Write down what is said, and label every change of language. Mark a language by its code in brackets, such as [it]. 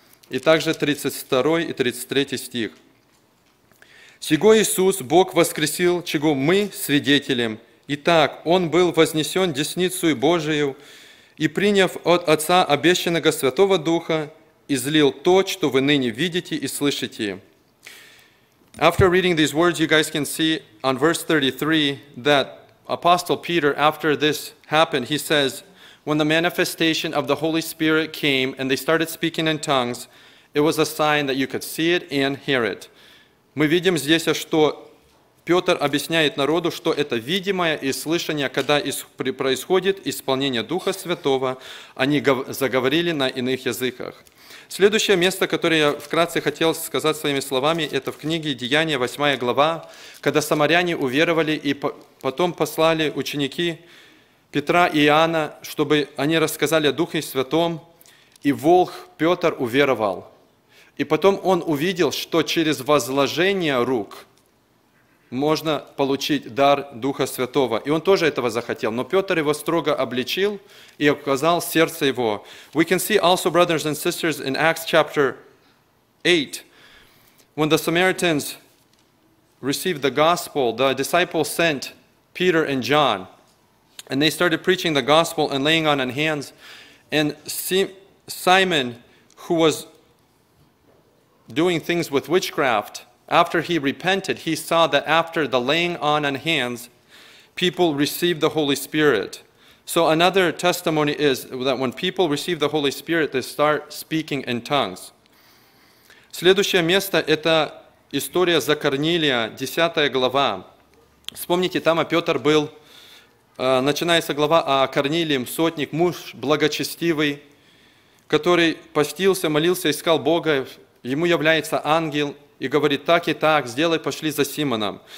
[ru] И также 32 и 33 стих. «Сего Иисус Бог воскресил, чего мы свидетелем». Итак, он был вознесен десницей Божию и, приняв от Отца обещанного Святого Духа, излил то, что вы ныне видите и слышите. [en] After reading these words, you guys can see on verse 33 that Apostle Peter, after this happened, he says, when the manifestation of the Holy Spirit came and they started speaking in tongues, it was a sign that you could see it and hear it. [ru] Мы видим здесь, что Петр объясняет народу, что это видимое и слышание, когда происходит исполнение Духа Святого, они заговорили на иных языках. Следующее место, которое я вкратце хотел сказать своими словами, это в книге Деяния, 8 глава, когда самаряне уверовали и потом послали ученики Петра и Иоанна, чтобы они рассказали о Духе Святом, и волх Петр уверовал. И потом он увидел, что через возложение рук можно получить дар Духа Святого. И он тоже этого захотел. Но Петр его строго обличил и указал сердце его. [en] We can see also, brothers and sisters, in Acts chapter 8, when the Samaritans received the gospel, the disciples sent Peter and John. And they started preaching the gospel and laying on hands. And Simon, who was doing things with witchcraft, after he repented, he saw that after the laying on hands, people received the Holy Spirit. So another testimony is that when people receive the Holy Spirit, they start speaking in tongues. [ru] Следующее место – это история за Корнилия, 10 глава. Вспомните, там Петр был, начинается глава о Корнилии, сотник, муж благочестивый, который постился, молился, искал Бога, ему является ангел и говорит: «Так и так, сделай, пошли за Симоном».